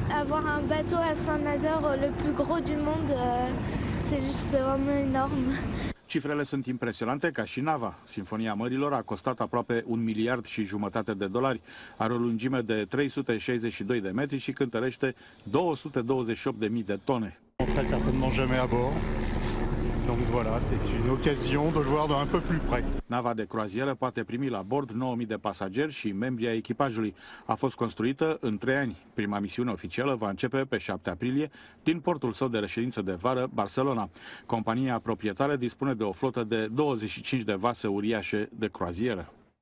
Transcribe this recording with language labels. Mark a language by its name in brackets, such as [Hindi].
[French] Avoir un bateau à Saint-Nazaire, le plus gros du monde, c'est juste vraiment énorme. [Romanian] Cifrele sunt impresionante, ca și nava. Simfonia Mărilor a costat aproape $1.5 miliarde. Are o lungime de 362 de metri și cântărește 228.000 de tone. [French] On ne sera certainement jamais à bord. Donc voilà, c'est une occasion de le voir d'un peu plus près. [Romanian] Nava de croazieră poate primi la bord 9.000 de pasageri și membrii ai echipajului. A fost construită în 3 ani. Prima misiune oficială va începe pe 7 aprilie din portul său de reședință de vară, Barcelona. Compania proprietară dispune de o flotă de 25 de vase uriașe de croazieră.